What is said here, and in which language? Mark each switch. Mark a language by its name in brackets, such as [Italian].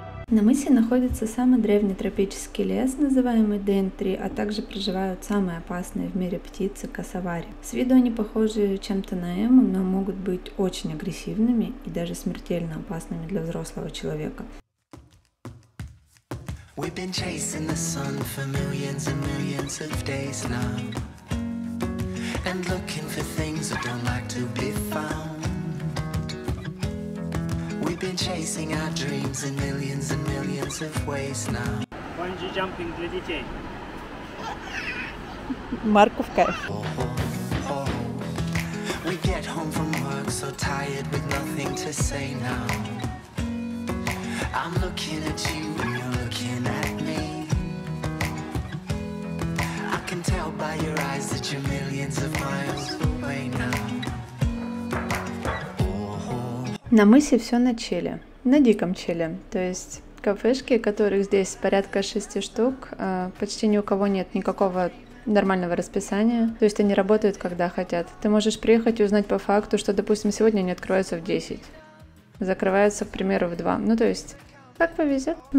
[Russian] На мысе находится самый древний тропический лес, называемый Дейн-3, а также проживают самые опасные в мире птицы – косовари. С виду они похожи чем-то на эму, но могут быть очень агрессивными и даже смертельно опасными для взрослого человека. [English] We've been chasing the sun for millions and millions of days now. And looking for things that don't like to be found. Been chasing our dreams in millions and millions of ways now. [Russian] Bungee jumping для детей. Марку в кайф. Oh, oh. [English] We get home from work so tired with nothing to say now. I'm looking at you and you're looking at me. I can tell by your eyes that you're millions of miles away now. [Russian] На мысе все на чиле, на диком чиле, то есть кафешки, которых здесь порядка 6 штук, почти ни у кого нет никакого нормального расписания, то есть они работают когда хотят. Ты можешь приехать и узнать по факту, что, допустим, сегодня они открываются в 10, закрываются, к примеру, в 2, ну то есть, как повезет.